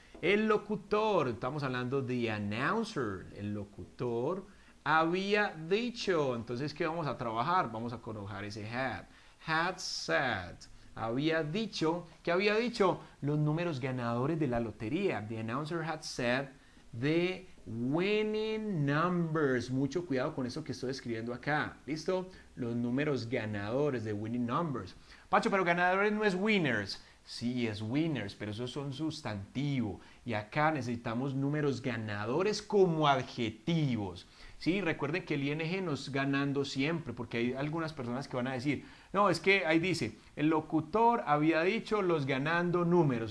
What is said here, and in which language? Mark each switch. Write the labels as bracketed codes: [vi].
[es] El locutor, estamos hablando de announcer, el locutor había dicho. Entonces, ¿qué vamos a trabajar? Vamos a colocar ese had. [en] Had said. [es] Había dicho, ¿qué había dicho? Los números ganadores de la lotería. [en] The announcer had said the winning numbers. [es] Mucho cuidado con eso que estoy escribiendo acá. ¿Listo? Los números ganadores, [en] the winning numbers. [es] Pacho, pero ganadores no es winners. Sí, es winners, pero eso es un sustantivo. Y acá necesitamos números ganadores como adjetivos. Sí, recuerden que el ING nos está ganando siempre, porque hay algunas personas que van a decir, no, es que ahí dice, el locutor había dicho los ganando números.